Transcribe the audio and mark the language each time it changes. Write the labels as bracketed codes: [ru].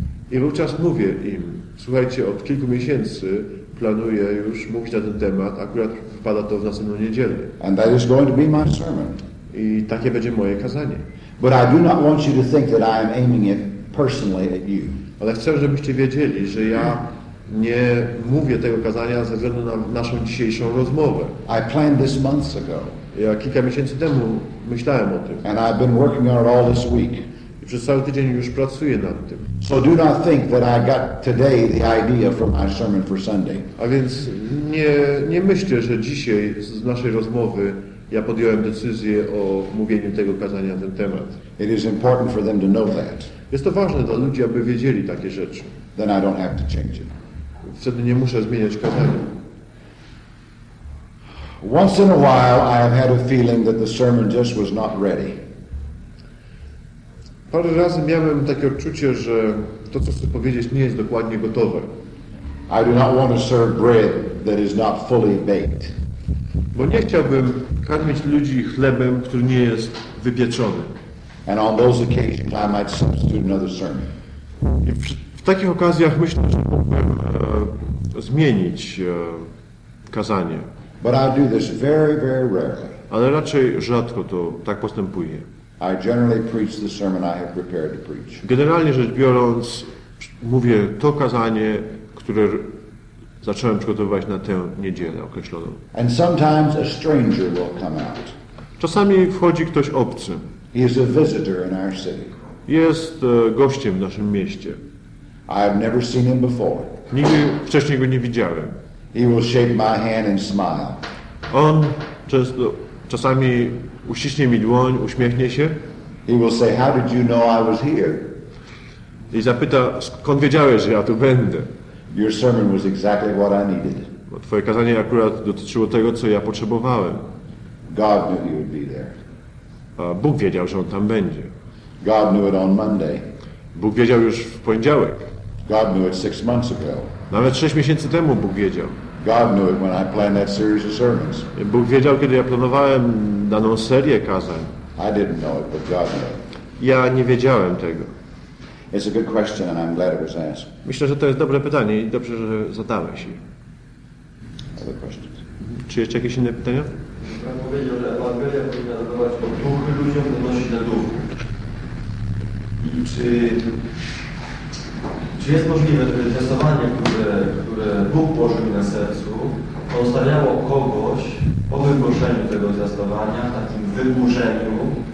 [pl] I wówczas mówię im, słuchajcie, od kilku miesięcy planuję już mówić na ten temat, akurat wypada to w następną niedzielę. [en] And that is going to be my sermon. [pl] I takie będzie moje kazanie. [en] But I do not want you to think that I am aiming it personally at you. [pl] Ale chcę, żebyście wiedzieli, że ja nie mówię tego kazania ze względu na naszą dzisiejszą rozmowę. [en] I planned this months ago. [pl] Ja kilka miesięcy temu myślałem o tym. [en] And I've been working on it all this week. [pl] I przez cały tydzień już pracuję nad tym. [en] So do not think that I got today the idea from my sermon for Sunday. [pl] A więc nie myślcie, że dzisiaj z naszej rozmowy ja podjąłem decyzję o mówieniu tego kazania na ten temat. [en] It is important for them to know that. [pl] Jest to ważne dla ludzi, aby wiedzieli takie rzeczy. [en] Then I don't have to change it. [pl] Wtedy nie muszę zmieniać kazania. [en] Once in a while I have had a feeling that the sermon just was not ready. [pl] Parę razy miałem takie odczucie, że to, co chcę powiedzieć, nie jest dokładnie gotowe. [en] I do not want to serve bread that is not fully baked. [pl] Bo nie chciałbym karmić ludzi chlebem, który nie jest wypieczony. [en] And on those occasions I might substitute another sermon. [pl] W takich okazjach myślę, że mógłbym zmienić kazanie. [en] But I do this very, very rarely. [pl] Ale raczej rzadko to tak postępuje. [en] I generally preach the sermon I have prepared to preach. [pl] Generalnie rzecz biorąc, mówię to kazanie, które zacząłem przygotowywać na tę niedzielę określoną. [en] And sometimes a stranger will come out. [pl] Czasami wchodzi ktoś obcy. [en] He is a visitor in our city. [pl] Jest gościem w naszym mieście. [en] I have never seen him before. [pl] Nigdy wcześniej go nie widziałem. [en] He will shake my hand and smile. [pl] On często, czasami uściśnie mi dłoń, uśmiechnie się. [en] He will say, "How did you know I was here?" [pl] I zapyta, skąd wiedziałeś, że ja tu będę? [en] Your sermon was exactly what I needed. [pl] Bo twoje kazanie akurat dotyczyło tego, co ja potrzebowałem. [en] God knew he would be there. [pl] Bóg wiedział, że on tam będzie. [en] God knew it on Monday. [pl] Bóg wiedział już w poniedziałek. [en] God knew it 6 months ago. [pl] Nawet 6 miesięcy temu Bóg wiedział. [en] God knew it when I planned that series of sermons. [pl] Bóg wiedział, kiedy ja planowałem daną serię kazań. [en] I didn't know it, but God knew. [pl] Ja nie wiedziałem tego. [en] It's a good question and I'm glad it was asked. [pl] Myślę, że to jest dobre pytanie i dobrze, że zadałeś je. [en] Other questions. [pl] Czy jeszcze jakieś inne pytania? Pan powiedział, że Ewangelia powinna dawać otuchy ludziom, donosić na duch. I czy jest możliwe, by testowanie, które Bóg położył na sercu, pozostawiało kogoś po wygłoszeniu tego testowania w takim wyburzeniu?